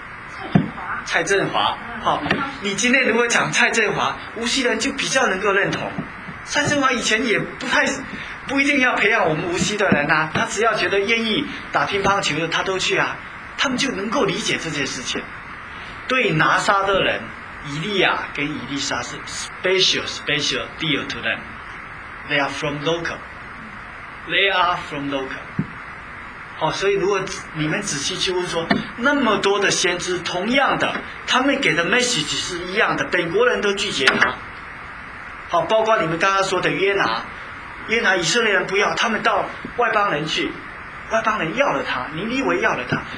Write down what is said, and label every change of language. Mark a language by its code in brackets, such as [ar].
[zh] 蔡振华。蔡振华，好，你今天如果讲蔡振华，无锡人就比较能够认同。蔡振华以前也不一定要培养我们无锡的人啊，他只要觉得愿意打乒乓球的，他都去啊，他们就能够理解这件事情。对拿撒勒人，以利亚跟以利沙是 [en] special deal to them， they are from local。 They are from local。 [zh] 好，所以如果你们仔细去问说，那么多的先知，同样的，他们给的 message 是一样的，本国人都拒绝他。好，包括你们刚刚说的约拿，以色列人不要，他们到外邦人去，外邦人要了他，尼尼微要了他。